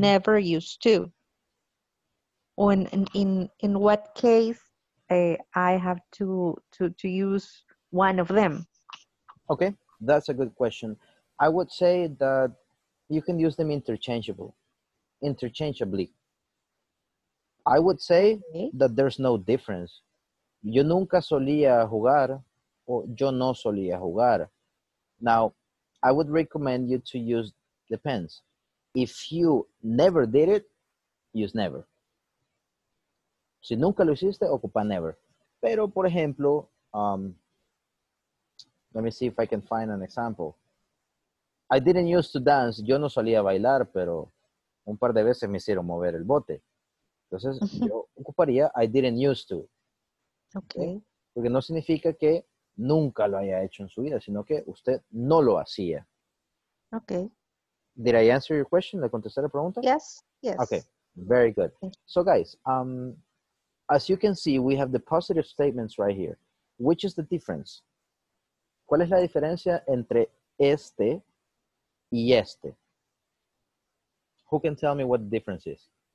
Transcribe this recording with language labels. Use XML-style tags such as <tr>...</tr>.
<en>never used to? Or in what case I have to use one of them? Okay, that's a good question. I would say that you can use them interchangeably. I would say that there's no difference.</en> <es>Yo nunca solía jugar, or yo no solía jugar.</es> <en>Now, I would recommend you to use depends. If you never did it, use never.</en> <es>Si nunca lo hiciste, ocupa</es> <en>never.</en> <es>Pero, por ejemplo,</es> <en>let me see if I can find an example. I didn't used to dance.</en> <es>Yo no solía bailar, pero un par de veces me hicieron mover el bote. Entonces, yo ocuparía I didn't used to.</es> <en>Okay.</en> <es>Porque no significa que nunca lo haya hecho en su vida, sino que usted no lo hacía.</es> <en>Okay. Did I answer your question?</en> <es>¿Le contesté la pregunta?</es> <en>Yes, yes. Okay, very good. So, guys, as you can see, we have the positive statements right here. Which is the difference?</en> <es>¿Cuál es la diferencia entre este y este?</es> <en>Who can tell me what the difference is?</en>